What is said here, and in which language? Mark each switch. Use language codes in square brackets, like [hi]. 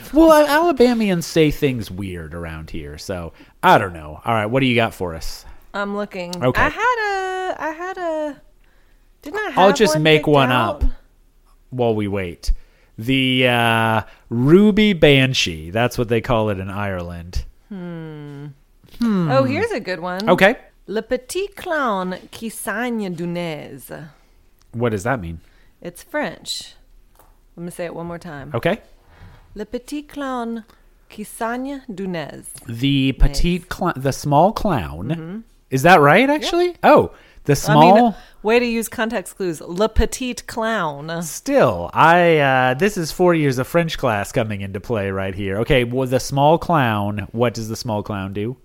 [en] Well, Alabamians say things weird around here, so I don't know. All right. What do you got for us? I'm looking. Okay. I had a... Didn't I have I'll just one make one out? Up while we wait. The Ruby Banshee. That's what they call it in Ireland. Hmm. Oh, here's a good one. Okay. [fr] Le petit clown qui saigne du nez. [en] What does that mean? It's French. I'm going to say it one more time. Okay. [fr] Le petit clown qui saigne du nez. [en] The petit clown, the small clown. Mm-hmm. Is that right, actually? Yep. Oh, the small. I mean, way to use context clues. [fr] Le petit clown. [en] Still, this is 4 years of French class coming into play right here. Okay, well, the small clown, what does the small clown do?